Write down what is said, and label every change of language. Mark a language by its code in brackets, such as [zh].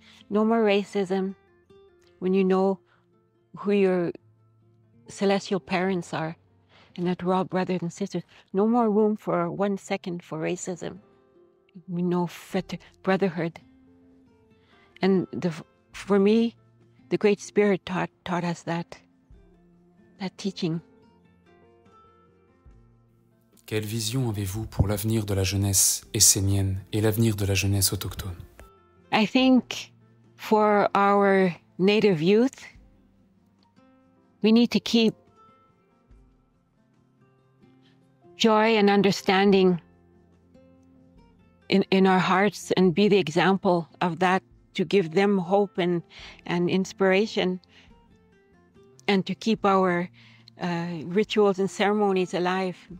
[en] No more racism when you know who your celestial parents are and that we're all brothers and sisters. No more room for 1 second for racism. We know brotherhood. And for me, the Great Spirit taught us that teaching. [fr] Quelle vision avez-vous pour l'avenir de la jeunesse essénienne et l'avenir de la jeunesse autochtone? [en] I think for our native youth, we need to keep joy and understanding in our hearts and be the example of that to give them hope and inspiration and to keep our rituals and ceremonies alive.